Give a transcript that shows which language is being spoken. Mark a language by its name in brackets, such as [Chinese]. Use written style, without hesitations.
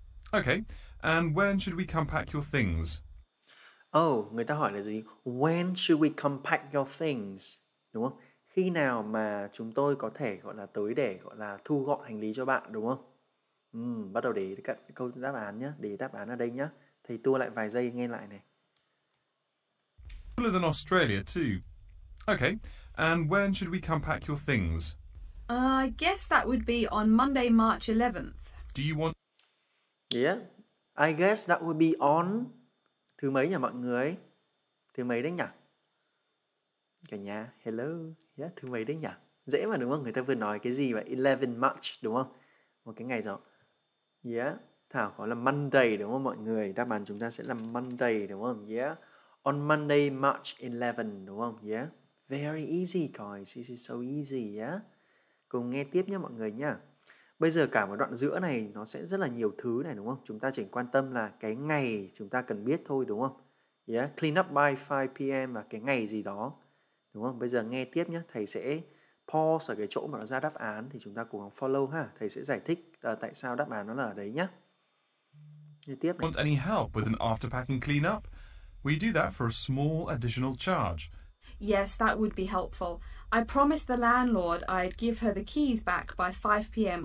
[English] Okay, and when should we come pack your things? [Vietnamese] Oh, người ta hỏi là gì? [English] When should we come pack your things? [Vietnamese] Đúng không? Khi nào mà chúng tôi có thể gọi là tới để gọi là thu gọn hành lý cho bạn đúng không? Bắt đầu để cận câu đáp án nhé, để đáp án ở đây nhé. Thầy tua lại vài giây nghe lại này. [English] Cooler than Australia too. Okay, and when should we come pack your things? I guess that would be on Monday, March 11th. Do you want? Yeah, I guess that would be on [Vietnamese] thứ mấy nhỉ mọi người? Thứ mấy đấy nhỉ? Cả nhà, hello, yeah, thứ mấy đấy nhỉ? Dễ mà đúng không? Người ta vừa nói cái gì vậy? 11 March, đúng không? Một cái ngày rồi. Yeah, Thảo có là Monday, đúng không mọi người? Đáp án chúng ta sẽ là Monday, đúng không? Yeah, [English] on Monday, March 11, [Vietnamese] đúng không? [English] Yeah, very easy, guys. This is so easy, yeah. [Vietnamese] Cùng nghe tiếp nhé mọi người nhá. Bây giờ cả một đoạn giữa này, nó sẽ rất là nhiều thứ này, đúng không? Chúng ta chỉ quan tâm là cái ngày chúng ta cần biết thôi, đúng không? Yeah, [English] clean up by 5 p.m. [Vietnamese] và cái ngày gì đó. Đúng không? Bây giờ nghe tiếp nhé. Thầy sẽ pause ở cái chỗ mà nó ra đáp án thì chúng ta cùng follow ha. Thầy sẽ giải thích tại sao đáp án nó là ở đấy nhé. Nghe tiếp này. [English] Want any help with an after packing clean up? We do that for a small additional charge. Yes, that would be helpful. I promised the landlord I'd give her the keys back by 5 p.m.